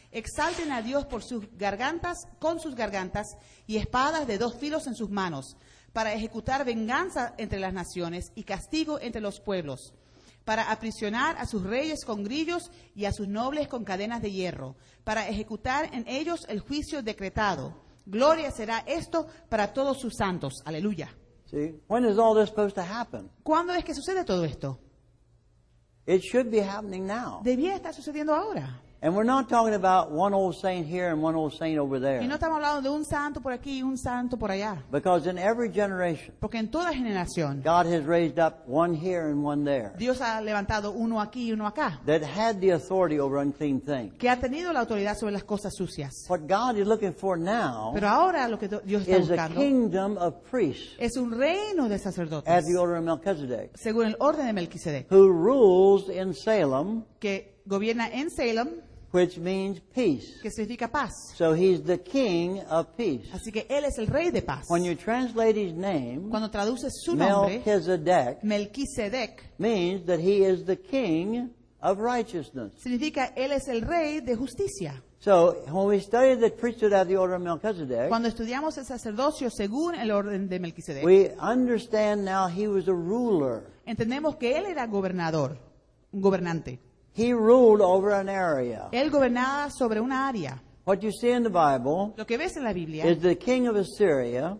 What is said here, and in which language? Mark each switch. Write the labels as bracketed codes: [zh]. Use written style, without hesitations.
[es] Exalten a Dios por sus gargantas, con sus gargantas y espadas de dos filos en sus manos, para ejecutar venganza entre las naciones y castigo entre los pueblos, para aprisionar a sus reyes con grillos y a sus nobles con cadenas de hierro, para ejecutar en ellos el juicio decretado. Gloria será esto para todos sus santos. Aleluya. [en] See, when is all this supposed to happen? [es] ¿Cuándo es que sucede todo esto? [en] It should be happening now. [es] Debía estar sucediendo ahora. [en] And we're not talking about one old saint here and one old saint over there. [es] Y no estamos hablando de un santo por aquí y un santo por allá. [en] Because in every generation, [es] porque en toda generación, [en] God has raised up one here and one there. [es] Dios ha levantado uno aquí y uno acá. [en] That had the authority over unclean things. [es] Que ha tenido la autoridad sobre las cosas sucias. [en] What God is looking for now, [es] pero ahora lo que Dios está buscando, [en] is a kingdom of priests. [es] Es un reino de sacerdotes. [en] As the order of Melchizedek. [es] Según el orden de Melquisedec. [en] Who rules in Salem? [es] Que gobierna en Salem. [en] Which means peace. [es] Que significa paz. [en] So he's the king of peace. [es] Así que él es el rey de paz. [en] When you translate his name, [es] cuando traduces su nombre, Melquisedec, [en] means that he is the king of righteousness. [es] Significa él es el rey de justicia. [en] So when we study the priesthood of the order of Melchizedek, [es] cuando estudiamos el sacerdocio según el orden de Melquisedec, [en] we understand now he was a ruler. [es] Entendemos que él era gobernador, un gobernante. [en] He ruled over an area. [es] Él gobernaba sobre una área. [en] What you see in the Bible, [es] lo que ves en la Biblia, [en] is the king of Assyria,